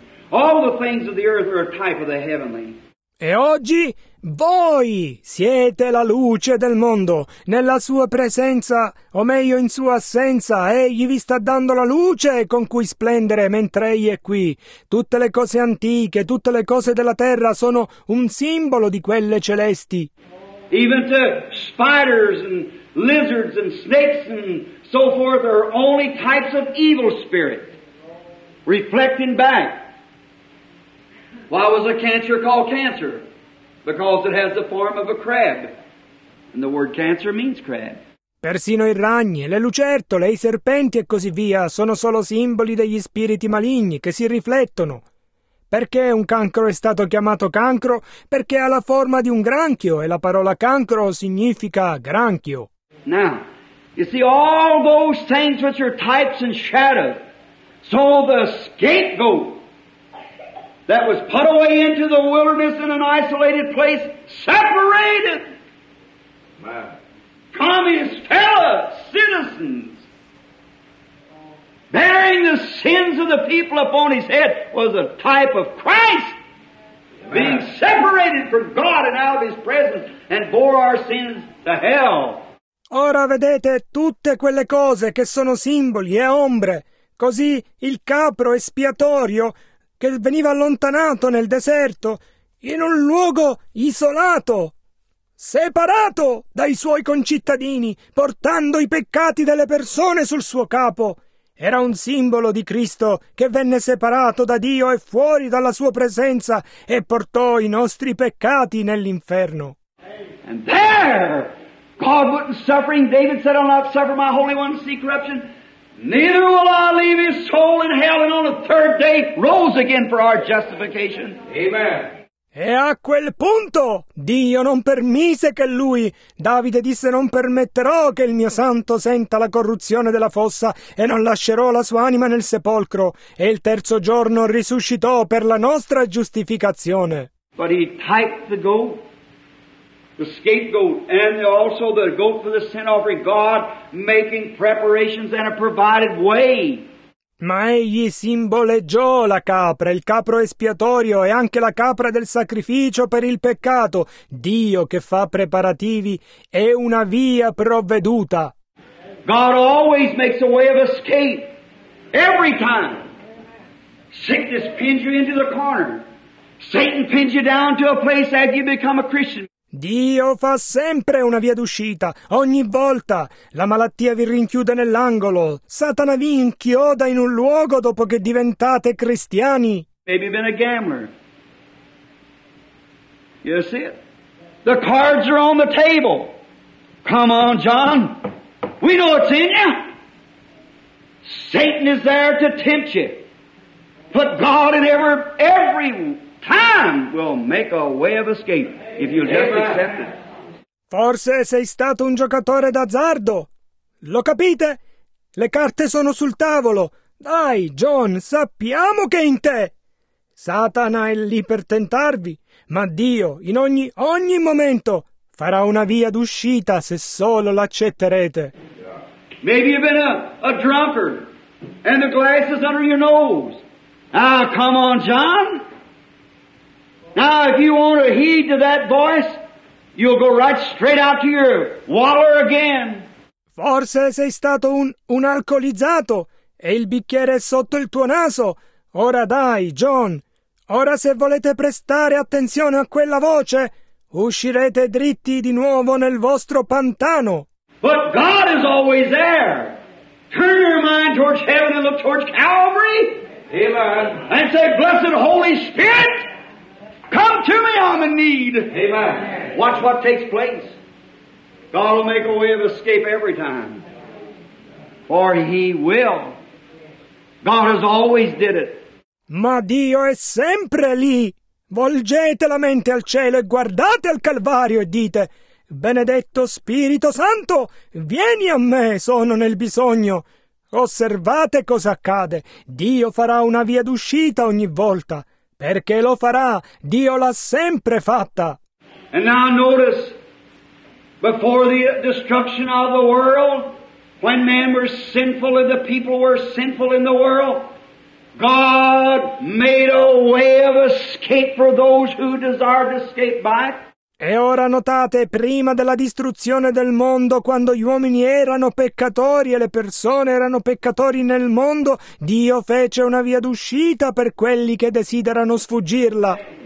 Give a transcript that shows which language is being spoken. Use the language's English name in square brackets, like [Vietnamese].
[English] All the things of the earth are a type of the heavenly. [Italian] E oggi voi siete la luce del mondo. Nella sua presenza, o meglio in sua assenza, egli vi sta dando la luce con cui splendere mentre egli è qui. Tutte le cose antiche, tutte le cose della terra sono un simbolo di quelle celesti. [English] Even to spiders and lizards and snakes and so forth are only types of evil spirit. Reflecting back. Why was a cancer called cancer? Because it has the form of a crab. And the word cancer means crab. [Italian] Persino i ragni, le lucertole, i serpenti e così via sono solo simboli degli spiriti maligni che si riflettono. Perché un cancro è stato chiamato cancro? Perché ha la forma di un granchio e la parola cancro significa granchio. [English] Now, you see all those things which are types and shadows. So the scapegoat that was put away into the wilderness in an isolated place, separated. Wow. Come his fellow citizens. Bearing the sins of the people upon his head was a type of Christ. Wow. Being separated from God and out of his presence and bore our sins to hell. [Italian] Ora vedete tutte quelle cose che sono simboli e ombre. Così il capro espiatorio che veniva allontanato nel deserto, in un luogo isolato, separato dai suoi concittadini, portando i peccati delle persone sul suo capo. Era un simbolo di Cristo che venne separato da Dio e fuori dalla sua presenza e portò i nostri peccati nell'inferno. [English] And there, God wasn't suffering. David said, I'll not suffer my Holy One to see corruption. Neither will I leave his soul in hell, and on the third day rose again for our justification. Amen. [Italian] E a quel punto Dio non permise che lui, Davide disse, non permetterò che il mio santo senta la corruzione della fossa e non lascerò la sua anima nel sepolcro. E il terzo giorno risuscitò per la nostra giustificazione. [English] But he typed the goat, the scapegoat, and also the goat for the sin offering, God making preparations and a provided way. [Italian] Ma egli simboleggiò la capra, il capro espiatorio e anche la capra del sacrificio per il peccato, Dio che fa preparativi e una via provveduta. [English] God always makes a way of escape, every time. Sickness pins you into the corner. Satan pins you down to a place that you become a Christian. [Italian] Dio fa sempre una via d'uscita, ogni volta. La malattia vi rinchiude nell'angolo. Satana vi inchioda in un luogo dopo che diventate cristiani. [English] Maybe been a gambler. You see it? The cards are on the table. Come on, John. We know it's in you. Satan is there to tempt you. But God in every time will make a way of escape. If you just accept it. [Italian] Forse sei stato un giocatore d'azzardo. Lo capite? Le carte sono sul tavolo. Dai, John, sappiamo che è in te. Satana è lì per tentarvi, ma Dio, in ogni momento, farà una via d'uscita se solo l'accetterete. [English] Maybe you've been a drunkard and the glass is under your nose. Ah, come on, John. Now, if you want to heed to that voice, you'll go right straight out to your wallow again. [Italian] Forse sei stato un alcolizzato e il bicchiere è sotto il tuo naso. Ora dai, John. Ora se volete prestare attenzione a quella voce, uscirete dritti di nuovo nel vostro pantano. [English] But God is always there. Turn your mind towards heaven and look towards Calvary. Amen. And say, Blessed Holy Spirit. Come to me, I'm in need. Amen. Watch what takes place. God will make a way of escape every time. For he will. God has always did it. [Italian] Ma Dio è sempre lì. Volgete la mente al cielo e guardate al Calvario e dite: Benedetto Spirito Santo, vieni a me, sono nel bisogno. Osservate cosa accade. Dio farà una via d'uscita ogni volta. Perché lo farà, Dio l'ha sempre fatta. [English] And now notice, before the destruction of the world, when men were sinful and the people were sinful in the world, God made a way of escape for those who desired to escape back. [Italian] E ora notate, prima della distruzione del mondo, quando gli uomini erano peccatori e le persone erano peccatori nel mondo, Dio fece una via d'uscita per quelli che desiderano sfuggirla.